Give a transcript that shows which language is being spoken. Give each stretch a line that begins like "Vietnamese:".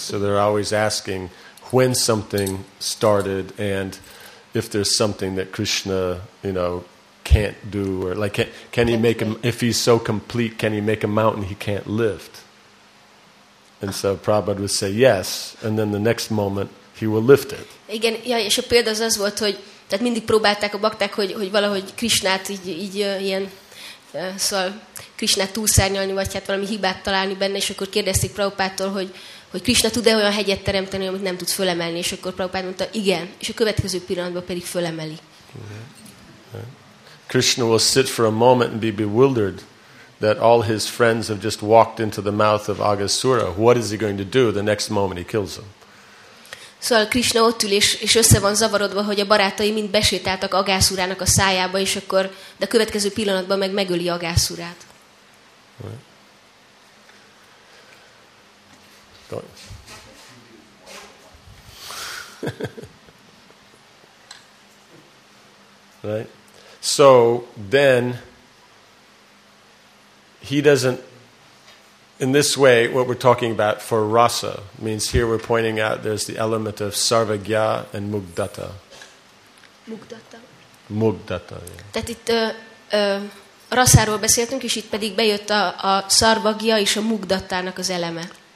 English: So they're always asking when something started and if there's something that Krishna, you know, can't do, or like, can he make him, if he's so complete, can he make a mountain he can't lift? And so Prabhupada would say yes, and then the next moment he will lift it.
Hungarian: Igen, ja, és a példa az volt, hogy tehát mindig próbálták a bakták, hogy valahogy Krishnát így ilyen, szóval Krishnát túlszárnyalni, vagy hát valami hibát találni benne, és akkor kérdezték Prabhupádtól, hogy Krishna tud-e olyan hegyet teremteni, amit nem tud fölemelni, és akkor Prabhupád mondta, igen, és a következő pillanatban pedig fölemeli. Mm-hmm.
English: Krishna will sit for a moment and be bewildered that all his friends have just walked into the mouth of Agasura. What is he going to do the next moment he kills them?
Hungarian: Szóval Krishna ott ül, és össze van zavarodva, hogy a barátai mind besétáltak Agasurának a szájába, és akkor de a következő pillanatban meg megöli Agasurát.
English: Right. Right. So then he doesn't, in this way, what we're talking about for rasa means here we're pointing out there's the element of sarvagya and mugdata. Mugdata. Yeah.
Hungarian: Tehát itt rasáról beszéltünk, és itt pedig bejött a sarvagya és a mugdatának az eleme.